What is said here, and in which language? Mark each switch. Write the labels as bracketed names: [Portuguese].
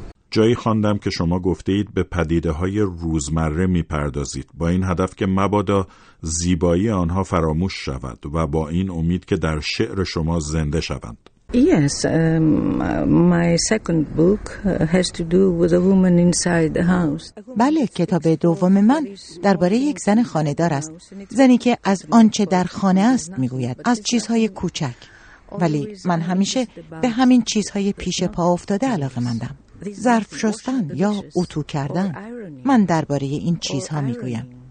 [Persian] جایی خواندم که شما گفته اید به پدیده های روزمره می پردازید با این هدف که مبادا زیبایی آنها فراموش شود و با این امید که در شعر شما زنده شوند. [English] Yes, my second book has to do with a woman inside the house. [Persian] بله، کتاب دوم من درباره یک زن خانه دار است. زنی که از آنچه در خانه است میگوید، از چیزهای کوچک. ولی من همیشه به همین چیزهای پیش پا افتاده علاقه مندم. ظرف شستن یا اتو کردن. من درباره این چیزها میگویم.